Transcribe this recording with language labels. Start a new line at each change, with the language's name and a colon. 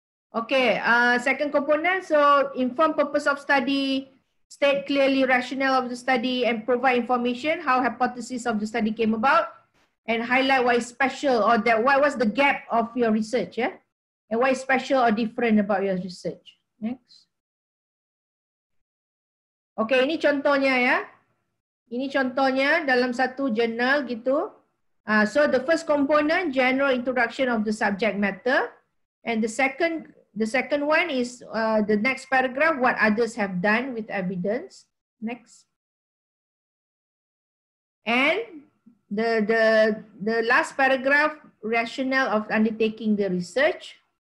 English: Okay, second component, so inform purpose of study, state clearly rationale of the study and provide information how hypothesis of the study came about and highlight why special or that what was the gap of your research, yeah? And why special or different about your research. Next.
Malay: Okay, ini contohnya ya. Ini contohnya dalam satu jurnal gitu.
English: So the first component, general introduction of the subject matter, and the second one is the next paragraph, what others have done with evidence. Next. And the last paragraph, rationale of undertaking the research.